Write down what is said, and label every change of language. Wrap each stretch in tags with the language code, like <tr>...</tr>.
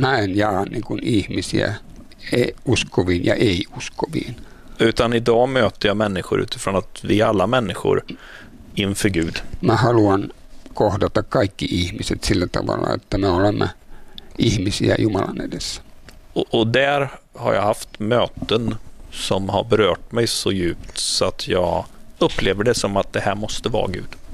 <fi>Mä en jaa niin kuin ihmisiä uskoviin ja ei uskoviin.</fi> <sv>Utan idag möter jag människor utifrån att vi är alla människor inför Gud.</sv> <fi>Mä haluan kohdata kaikki ihmiset sillä tavalla, että me olemme ihmisiä Jumalan edessä.</fi> <sv>Och där har jag haft möten som har berört mig så djupt så att jag upplever det som att det här måste vara Gud.</sv>